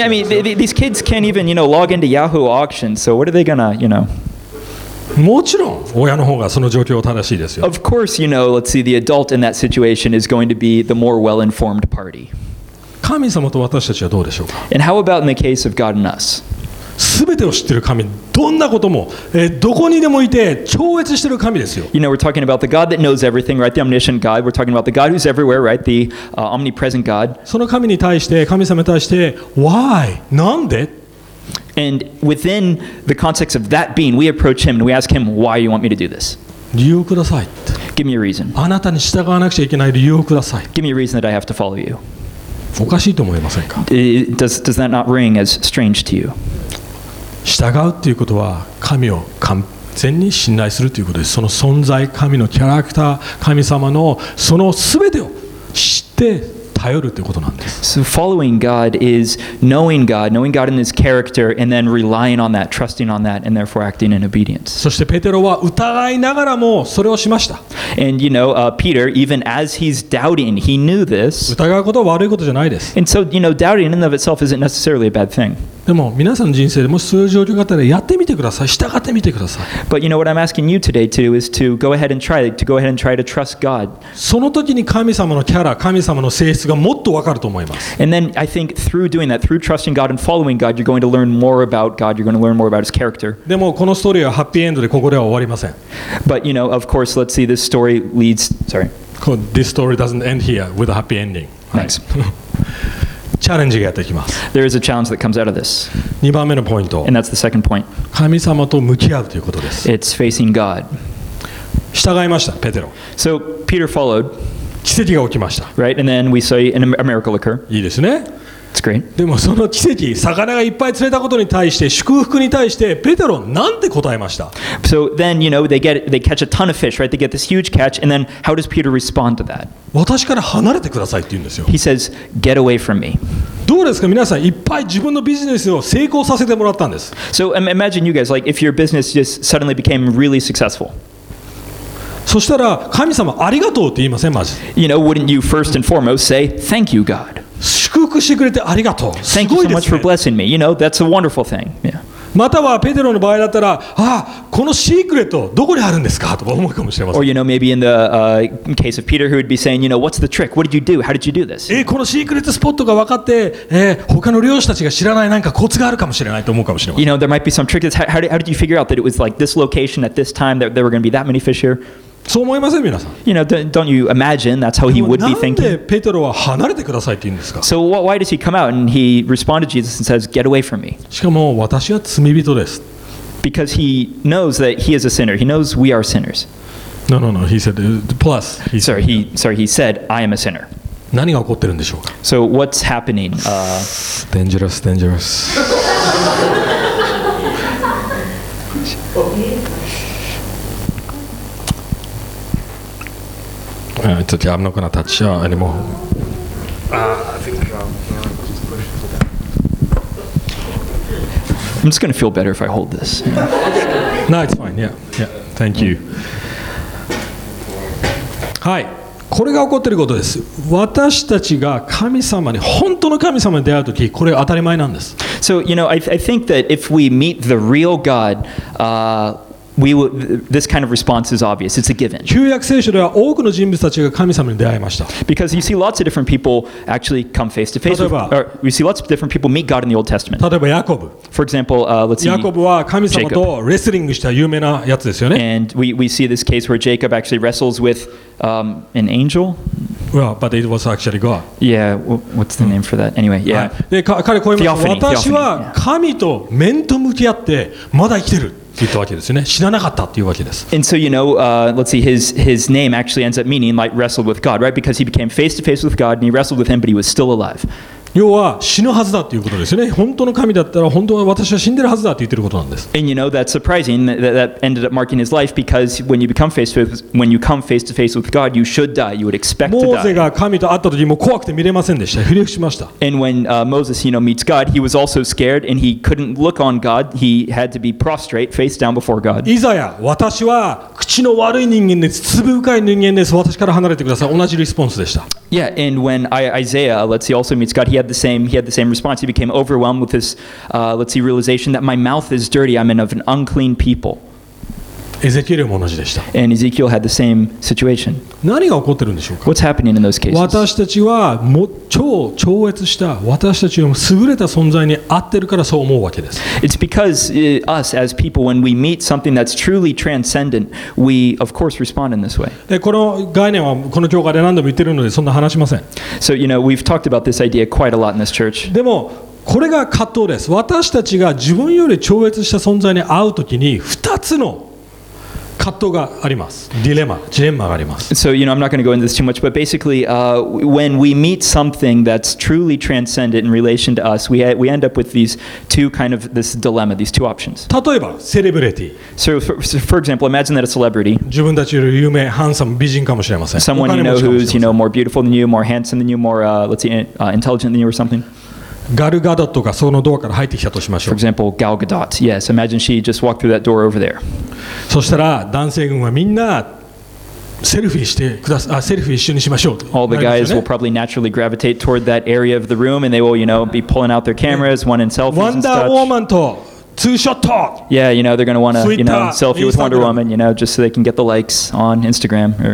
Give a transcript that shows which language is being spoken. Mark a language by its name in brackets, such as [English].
[English] Yeah, I mean, these kids can't even, you know, log into Yahoo auction. So what are they gonna, you know? [Japanese] もちろん親の方がその状況を正しいですよ。 [English] Of course, you know, let's see, the adult in that situation is going to be the more well-informed party. [Japanese] 神様と私たちはどうでしょうか。 [English] And how about in the case of God and us? [Japanese] 全てを知ってる神、どんなことも、どこにでもいて超越してる神ですよ。 [English] You know, we're talking about the God that knows everything, right? The omniscient God. We're talking about the God who's everywhere, right? The omnipresent God. [Japanese] その神に対して、神様に対して、 [English] Why? [Japanese] なんで? [English] And within the context of that being, we approach him and we ask him, Why do you want me to do this? [Japanese] 理由をください。 [English] Give me a reason. [Japanese] あなたに従わなくちゃいけない理由をください。 [English] Give me a reason that I have to follow you. [Japanese] おかしいと思いませんか? [English] Does that not ring as strange to you? [Japanese] 従うということは神を完全に信頼するということです。その存在、神のキャラクター、神様のそのすべてを知って頼るということなんです。 [English] So following God is knowing God in His character, and then relying on that, trusting on that, and therefore acting in obedience. [Japanese] そしてペテロは疑いながらもそれをしました。 [English] And you know, Peter, even as he's doubting, he knew this. [Japanese] 疑うことは悪いことじゃないです。 [English] And so, you know, doubting in and of itself isn't necessarily a bad thing. [Japanese] でも皆さんの人生でもしそういう状況があったらやってみてください。従ってみてください。 [English] But you know what I'm asking you today to do is to go ahead and try to go ahead and try to trust God. [Japanese] その時に神様のキャラ、神様の性質がもっとわかると思います。 [English] And then I think through doing that, through trusting God and following God, you're going to learn more about God. You're going to learn more about His character. [Japanese] でもこのストーリーはハッピーエンドでここでは終わりません。 [English] But you know, of course, let's see this story leads. Sorry. This story doesn't end here with a happy ending. Thanks. [Japanese] チャレンジがやってきます。 [English] There is a challenge that comes out of this. [Japanese] 2番目のポイント。 [English] And that's the second point. [Japanese] 神様と向き合うということです。 [English] It's facing God. [Japanese] 従いました、ペテロ。 [English] So, Peter followed. [Japanese] 奇跡が起きました。 [English] Right, and then we saw a miracle occur. [Japanese] いいですね。 [English] It's great. [Japanese] でもその奇跡、魚がいっぱい釣れたことに対して、祝福に対して、ペテロ、なんて答えました? [English] So then, you know, they catch a ton of fish, right? They get this huge catch, and then how does Peter respond to that? [Japanese] 私から離れてくださいって言うんですよ。 [English] He says, get away from me. [Japanese] どうですか、皆さん、いっぱい自分のビジネスを成功させてもらったんです。 [English] So imagine you guys, like, if your business just suddenly became really successful. [Japanese] そしたら、神様、ありがとうって言いません、マジ。 [English] You know, wouldn't you first and foremost say, thank you, God? [Japanese] 祝福してくれてありがとう。 [English] Thank you so much for blessing me. You know, that's a wonderful thing. Yeah. [Japanese] またはペテロの場合だったら、ああ、このシークレットどこにあるんですかと思うかもしれません。 [English] Or you know, maybe in the case of Peter, who would be saying, you know, what's the trick? What did you do? How did you do this? [Japanese] このシークレットスポットが分かって、他の漁師たちが知らないなんかコツがあるかもしれないと思うかもしれません。 [English] You know, there might be some trick. How did you figure out that it was like this location at this time that there were going to be that many fish here? [Japanese] そう思いません皆さん。 [English] You know, don't you imagine that's how he would be thinking? [Japanese] でもなんでペテロは離れてくださいって言うんですか? [English] So why does he come out and he responded to Jesus and says, get away from me? [Japanese] しかも私は罪人です。 [English] Because he knows that he is a sinner. He knows we are sinners. No. He said, plus. He said, I am a sinner. [Japanese] 何が起こってるんでしょうか? [English] So what's happening? Dangerous. It's okay, I'm not going to touch her anymore. I'm just going to feel better if I hold this. No, it's fine. Yeah. Thank you. Hi. [Japanese] これが起こっていることです。私たちが神様に本当の神様に出会うとき、これ当たり前なんです。 [English] So, you know, I think that if we meet the real God, this kind of response is obvious. It's a given. [Japanese] 旧約聖書では多くの人物たちが神様に出会いました。 [English] Because you see lots of different people actually come face to face. [Japanese] 例えば、 [English] or we see lots of different people meet God in the Old Testament. [Japanese] 例えばヤコブ。 [English] For example, let's see. [Japanese] ヤコブは神様とレスリングした有名なやつですよね。 [English] And we see this case where Jacob actually wrestles with an angel. Well, but it was actually God. Yeah. What's the name for that? Anyway, yeah. [Japanese] で、彼こう言いました。私は神と面と向き合ってまだ生きてる。 [English] And so, you know, let's see, his name actually ends up meaning like wrestled with God, right? Because he became face to face with God and he wrestled with him, but he was still alive. [Japanese] 要は死ぬはずだということですね。本当の神だったら本当は私は死んでるはずだと言ってることなんです。 [English] And you know, that's surprising that ended up marking his life because when you come face to face with God, you should die. You would expect to die. [Japanese] モーゼが神と会った時も怖くて見れませんでした。ひれ伏しました。 [English] And when Moses, you know, meets God, he was also scared and he couldn't look on God. He had to be prostrate, face down before God. [Japanese] イザヤ、私は口の悪い人間です。罪深い人間です。私から離れてください。同じリスポンスでした。 [English] Yeah, and when Isaiah, let's see, also meets God, he had the same response. He became overwhelmed with this, let's see, realization that my mouth is dirty. I'm of an unclean people. [Japanese] Ezekiel も同じでした。 [English] And Ezekiel had the same situation. [Japanese] 何が起こってるんでしょうか? [English] What's happening in those cases? [Japanese] 私たちは超越した私たちよりも優れた存在に合ってるからそう思うわけです。 [English] It's because us as people, when we meet something that's truly transcendent, we of course respond in this way. [Japanese] この概念はこの教会で何度も言ってるのでそんな話しません。 [English] So you know, we've talked about this idea quite a lot in this church. [Japanese] でもこれが葛藤です。私たちが自分より超越した存在に会うときに2つの葛藤があります。ディレマがあります。 [English] So, you know, I'm not going to go into this too much, but basically, when we meet something that's truly transcendent in relation to us, we end up with these two kind of this dilemma, these two options. [Japanese] 例えば、セレブリティ。 [English] So, for example, imagine that a celebrity. [Japanese] 自分たちより有名、ハンサム、美人かもしれません。 [English] Someone you know who's, you know, more beautiful than you, more handsome than you, more, let's see, intelligent than you or something. [Japanese] ガルガドットがそのドアから入ってきたとしましょう。 [English] For example, Gal Gadot. Yes, imagine she just walked through that door over there. [Japanese] そしたら男性軍はみんなセルフィーしてください。セルフィー一緒にしましょう。 [English] All the guys will probably naturally gravitate toward that area of the room, and they will, you know, be pulling out their cameras, wanting selfies and such. [Japanese] Wonder Woman とツーショット。 [English] Yeah, you know, they're gonna wanna, you know, selfie with Wonder Woman, you know, just so they can get the likes on Instagram.